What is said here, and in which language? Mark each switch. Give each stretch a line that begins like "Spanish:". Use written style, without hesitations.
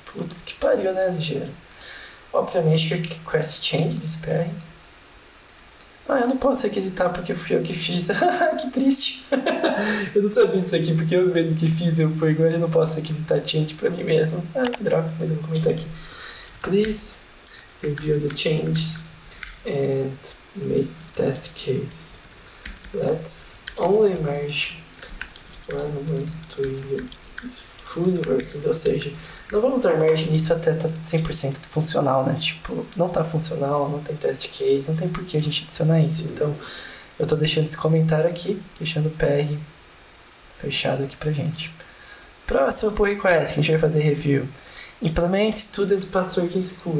Portuguese: Putz, que pariu, né, ligeiro? Obviamente que quest changes, espere. Ah, eu não posso requisitar porque fui eu que fiz. Que triste. Eu não sabia disso aqui, porque eu mesmo que fiz, eu fui igual, eu não posso requisitar change pra mim mesmo. Ah, que droga, mas eu vou comentar aqui.
English: Please review the changes and make test cases. Let's only merge when Twitter is fully working.
Portuguese: Ou seja, não vamos dar merge nisso até tá 100% funcional, né? Tipo, não tá funcional, não tem test case, não tem por que a gente adicionar isso. Então, eu tô deixando esse comentário aqui, deixando o PR fechado aqui pra gente. Próximo pull request, que a gente vai fazer review.
English: Implement student password in school.